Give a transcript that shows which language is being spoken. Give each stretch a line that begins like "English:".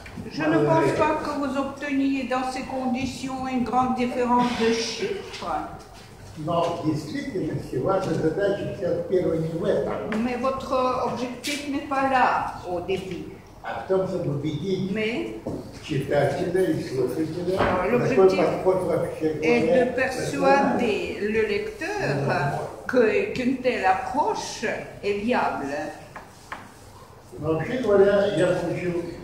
French: Je ne pense pas que vous obteniez dans ces conditions une grande différence de chiffres.
Russian: Но в действительности ваша задача сейчас первая не в этом.
French: Mais votre objectif n'est pas là au début.
Russian: А в том, чтобы убедить читателя и слушателя,
French: l'objectif
Russian: такой подход вообще
French: est de persuader le lecteur qu'une telle approche est viable.
Russian: Но вообще говоря, я получил,